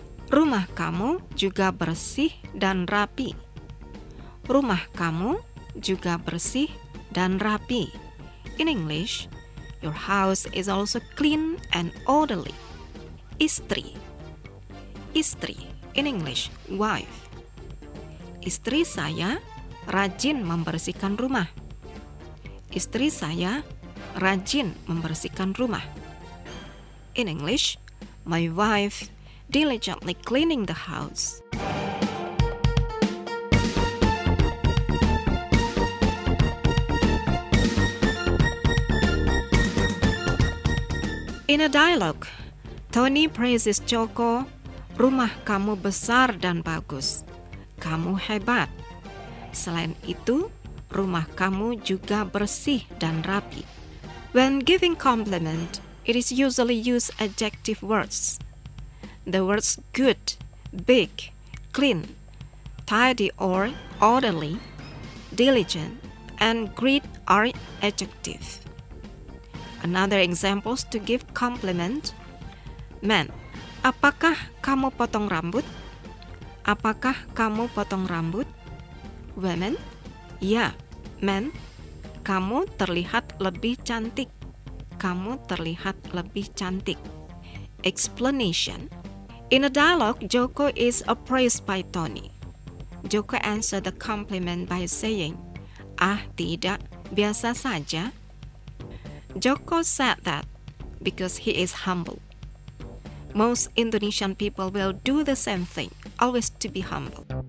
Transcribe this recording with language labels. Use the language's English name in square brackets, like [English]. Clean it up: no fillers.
[Indonesian] Rumah kamu juga bersih dan rapi. Rumah kamu juga bersih dan rapi. [English] In English, your house is also clean and orderly. Istri. Istri. In English, wife. [Indonesian] Istri saya rajin membersihkan rumah. Istri saya rajin membersihkan rumah. [English] In English, my wife diligently cleaning the house. In a dialogue, Tony praises Joko, [Indonesian] "Rumah kamu besar dan bagus. Kamu hebat. Selain itu, rumah kamu juga bersih dan rapi." [English] When giving compliment, it is usually used adjective words. The words good, big, clean, tidy or orderly, diligent, and great are adjective. Another examples to give compliment. [Indonesian] Man, apakah kamu potong rambut? Apakah kamu potong rambut? Women? Ya, men. Kamu terlihat lebih cantik. Kamu terlihat lebih cantik. [English] Explanation. In a dialogue, Joko is appraised by Tony. Joko answered the compliment by saying, [Indonesian] "Ah, tidak, biasa saja." [English] Joko said that because he is humble. Most Indonesian people will do the same thing, always to be humble.